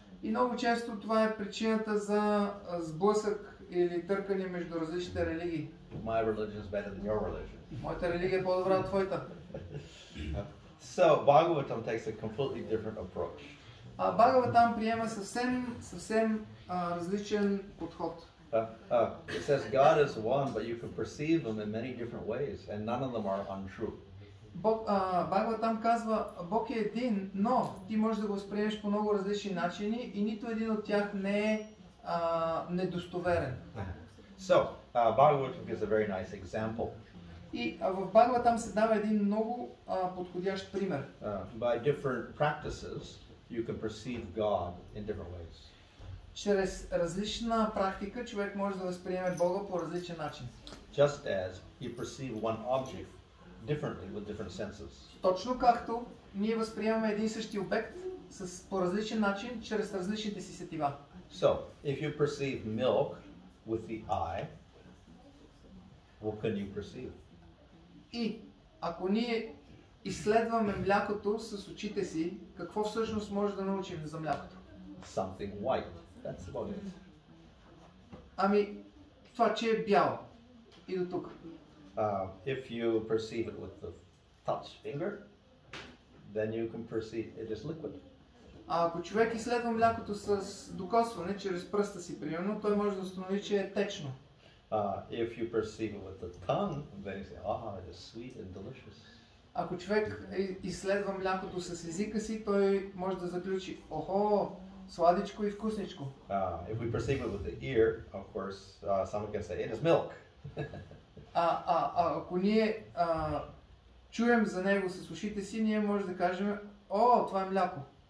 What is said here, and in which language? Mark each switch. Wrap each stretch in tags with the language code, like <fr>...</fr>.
<bg>И много често това е причината за сблъсък или търкане между различните религии.</bg> <en>My religion is better than your religion.</en> <bg>Моята религия е по-добра от твоята.</bg> <en>So, Bhagavatam takes a completely different approach.</en> <bg>А Бхагаватам приема съвсем, съвсем различен подход.</bg> <en>It says God is one, but you can perceive him in many different ways, and none of them are untrue.</en> <bg>Бхагаватам казва, Бог е един, но ти можеш да го възприемеш по много различни начини и нито един от тях не е недостоверен.</bg> <en>So, Bhagavatam is a very nice example.</en> <bg>И в Бхагаватам се дава един много подходящ пример.</bg> <en>By different practices, you can perceive God in different ways.</en> <bg>Чрез различна практика човек може да възприеме Бога по различен начин.</bg> <en>Just as you perceive one object differently with different senses.</en> <bg>Точно както ние възприемаме един същи обект с по различен начин чрез различните си сетива.</bg> <en>So, if you perceive milk with the eye, what can you perceive?</en> <bg>И ако ние изследваме млякото с очите си, какво всъщност може да научим за млякото?</bg> <en>Something white. That's about it.</en> <bg>Ами, това, че е бяло. И до тук.</bg> <en>If you perceive it with the touch finger, then you can perceive it is liquid.</en> <bg>А ако човек изследва млякото с докосване, чрез пръста си, примерно, той може да установи, че е течно.</bg> <en>If you perceive it with the tongue, then you say, ah, it is sweet and delicious.</en> <bg>Ако човек изследва млякото с езика си, той може да заключи, охо, сладичко и вкусничко.</bg> <en>If we perceive it with the ear, of course, someone can say, it is milk.</en> <bg>Ако ние чуем за него с ушите си, ние може да кажем, о, това е мляко.</bg>